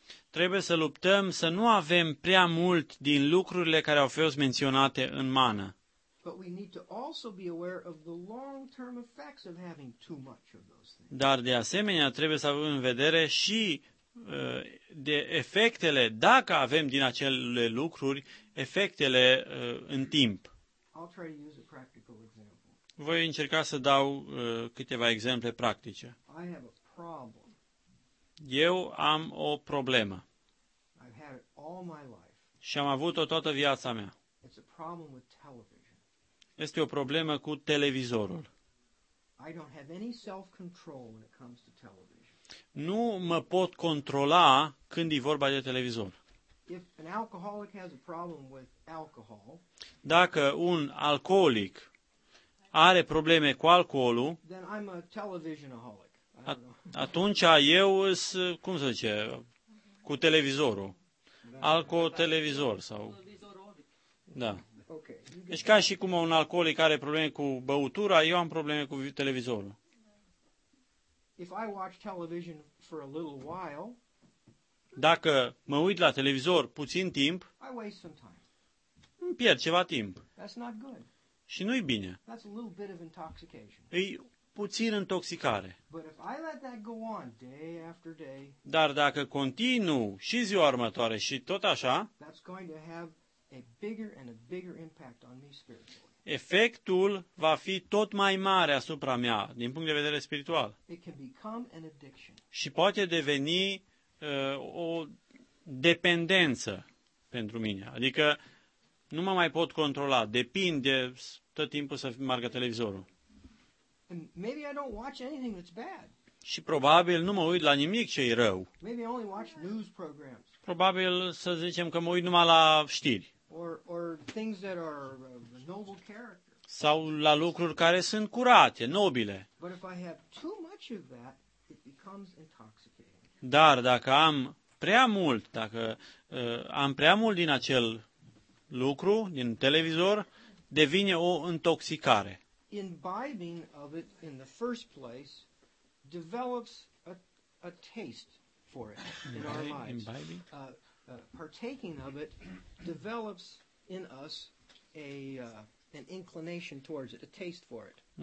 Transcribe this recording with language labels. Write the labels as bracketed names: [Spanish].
[Romanian] Trebuie să luptăm să nu avem prea mult din lucrurile care au fost menționate în mană. [English] But we need to also be aware of the long-term effects of having too much of those things. [Romanian] Dar de asemenea trebuie să avem în vedere și de efectele, dacă avem din acele lucruri, efectele în timp. [English] I'll try to use a practical example. [Romanian] Voi încerca să dau câteva exemple practice. [English] I have a problem. [Romanian] Eu am o problemă. [English] I've had it all my life. [Romanian] Și am avut-o toată viața mea. [English] It's a problem with television. [Romanian] Este o problemă cu televizorul. [English] I don't have any self-control when it comes to television. [Romanian] Nu mă pot controla când e vorba de televizor. [English] If an alcoholic has a problem with alcohol, [Romanian] dacă un alcoolic are probleme cu alcoolul, [English] then I'm a television-aholic. [Romanian] Atunci eu sunt, cum se zice, cu televizorul. Alco-televizor sau... Da. [English] Okay. [Romanian] Deci ca și cum un alcoolic are probleme cu băutura, eu am probleme cu televizorul. [English] If I watch television for a little while, [Romanian] dacă mă uit la televizor puțin timp, [English] I waste some time. [Romanian] Îmi pierd ceva timp. [English] That's not good. [Romanian] Și nu-i bine. [English] That's a little bit of intoxication. [Romanian] E puțin intoxicare. [English] But if I let that go on day after day, [Romanian] dar dacă continuu și ziua următoare și tot așa, [English] that's going to have a bigger and a bigger impact on me spiritually. [Romanian] Efectul va fi tot mai mare asupra mea din punct de vedere spiritual. [English] It can become an addiction. [Romanian] Și poate deveni o dependență pentru mine. Adică nu mă mai pot controla, depind de tot timpul să meargă televizorul. [English] And maybe I don't watch anything that's bad. [Romanian] Și probabil nu mă uit la nimic ce e rău. [English] Maybe I only watch news programs. [Romanian] Probabil să zicem că mă uit numai la știri. [English] Or things that are of noble character. [Romanian] Sau la lucruri care sunt curate, nobile. [English] But if I have too much of that, it becomes intoxicating. [Romanian] Dar dacă am prea mult, dacă am prea mult din acel lucru, din televizor, devine o intoxicare. [English] Imbibing of it in the first place develops a taste for it in our lives. Imbibing? Partaking of it develops in us an inclination towards it, a taste for it.